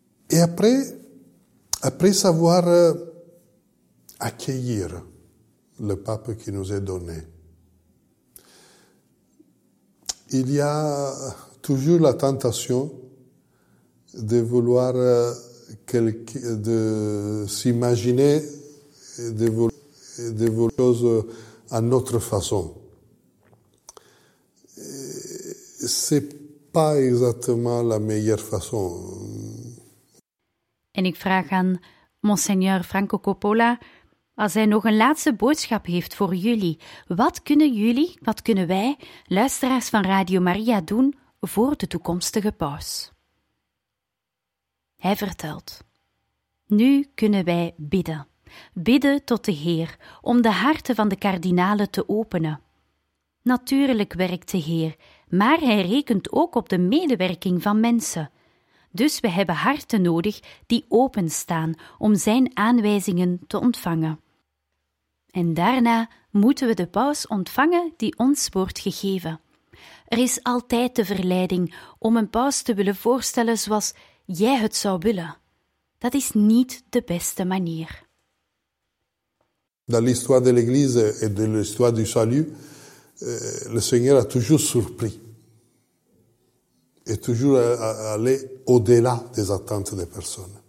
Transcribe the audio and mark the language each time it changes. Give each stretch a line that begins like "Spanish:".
French: Et après savoir accueillir le pape qui nous est donné, il y a toujours la tentation de vouloir de s'imaginer de vouloir choses à notre façon. C'est pas exactement la meilleure façon.
Dutch: En ik vraag aan Monseigneur Franco Coppola, als hij nog een laatste boodschap heeft voor jullie, wat kunnen wij, luisteraars van Radio Maria, doen voor de toekomstige paus? Hij vertelt: nu kunnen wij bidden. Bidden tot de Heer om de harten van de kardinalen te openen. Natuurlijk werkt de Heer, maar hij rekent ook op de medewerking van mensen. Dus we hebben harten nodig die openstaan om zijn aanwijzingen te ontvangen. En daarna moeten we de paus ontvangen die ons wordt gegeven. Er is altijd de verleiding om een paus te willen voorstellen zoals jij het zou willen. Dat is niet de beste manier.
French: Dans l'histoire de l'Église et de l'histoire du salut, le Seigneur a toujours surpris et toujours allé au-delà des attentes des personnes.